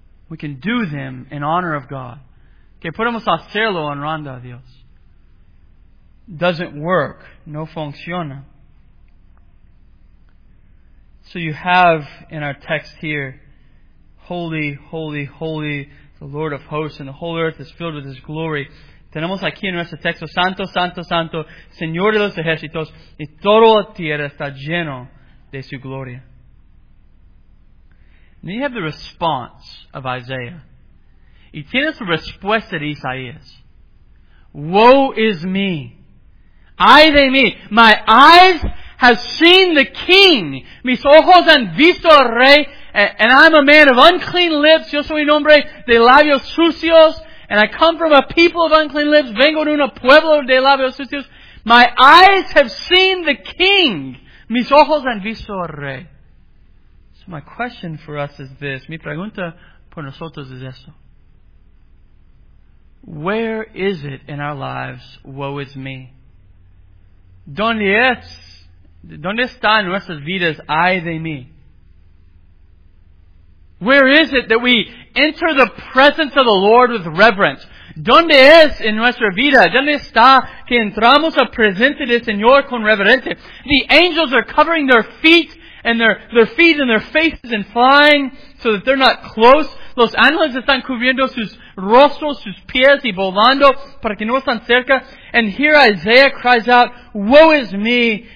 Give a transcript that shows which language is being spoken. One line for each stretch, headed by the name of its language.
English: We can do them in honor of God.
Spanish: Que podemos hacerlo honrando a Dios.
English: Doesn't work.
Spanish: No funciona.
English: So you have in our text here, holy, holy, holy, the Lord of hosts, and the whole earth is filled with His glory. Tenemos aquí en nuestro texto, Santo, Santo, Santo, Señor de los ejércitos, y toda la tierra está lleno de su gloria. And you have the response of Isaiah.
Spanish: Y tienes la respuesta de Isaías.
English: Woe is me.
Spanish: Ay de mí.
English: My eyes have seen the King.
Spanish: Mis ojos han visto al Rey.
English: And I'm a man of unclean lips.
Spanish: Yo soy un hombre de labios sucios.
English: And I come from a people of unclean lips.
Spanish: Vengo de un pueblo de labios sucios.
English: My eyes have seen the King.
Spanish: Mis ojos han visto al Rey.
English: So my question for us is this.
Spanish: Mi pregunta por nosotros es esto.
English: Where is it in our lives, woe is me?
Spanish: ¿Dónde está en nuestras vidas, ay de mí?
English: Where is it that we enter the presence of the Lord with reverence?
Spanish: ¿Dónde es en nuestra vida? ¿Dónde está que entramos a presente del Señor con reverencia?
English: The angels are covering their feet and their feet and their faces and flying so that they're not close.
Spanish: Los ángeles están cubriendo sus rostros, sus pies y volando para que no están cerca.
English: And here Isaiah cries out, woe is me.